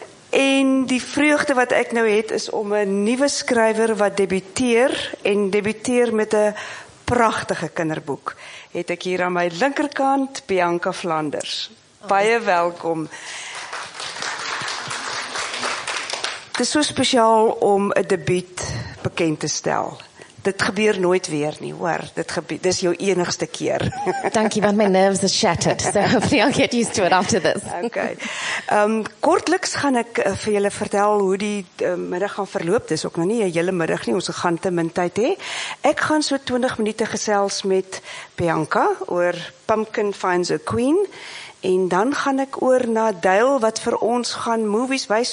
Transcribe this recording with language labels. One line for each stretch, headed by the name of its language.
Afrikaans: En die vreugde wat ek nou het is om 'n nuwe skrywer wat debuteer en debuteer met 'n pragtige kinderboek. Het ek hier aan my linkerkant Bianca Flanders. Baie welkom. Dit is so spesiaal om 'n debuut bekend te stel. Dit gebeur nooit weer nie, hoor. Dit is jou enigste keer. Dankie, want
English: my nerves are shattered. So hopefully I'll get used to it after this. Okay.
Afrikaans: Kortliks gaan ek vir julle vertel hoe die middag gaan verloop. Dit is ook nog nie 'n hele middag nie. Ons gaan te min tyd hê. Ek gaan so 20 minute gesels met Bianca oor Pumpkin Finds a Queen. En dan gaan ek oor na Dale wat vir ons gaan movies wys.